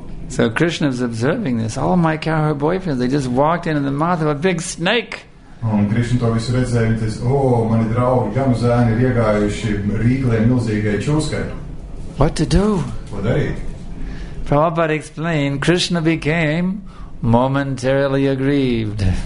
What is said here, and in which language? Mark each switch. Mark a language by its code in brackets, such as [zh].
[en] So Krishna is observing this. All my cowherd boyfriends, they just walked in the mouth of a big snake. [lv] Un Krishna to visu redzēja, un tas, mani draugi, ganu zēni ir iegājuši rīklē milzīgai čūskai. [en] What to do? [lv] What darīt? [en] Prabhupada explained, Krishna became momentarily aggrieved.